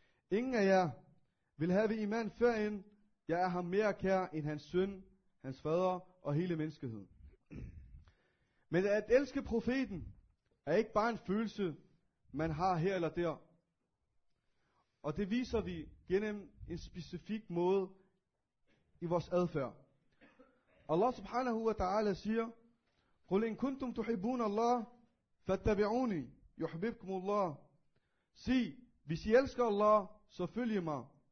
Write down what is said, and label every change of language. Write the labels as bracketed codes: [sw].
[da] Ingen af jer vil have iman, før jeg er ham mere kær end hans søn, hans fader og hele menneskeheden. Men at elske profeten er ikke bare en følelse, man har her eller der. Og det viser vi gennem en specifik måde i vores adfærd. Allah subhanahu wa ta'ala siger, [ar] قُلْ إِن كُنْتُمْ تُحِبُونَ اللَّهِ فَاتَّبِعُونِي يُحْبِبْكُمُ اللَّهِ. [da] Sig, hvis I elsker Allah, så følg mig.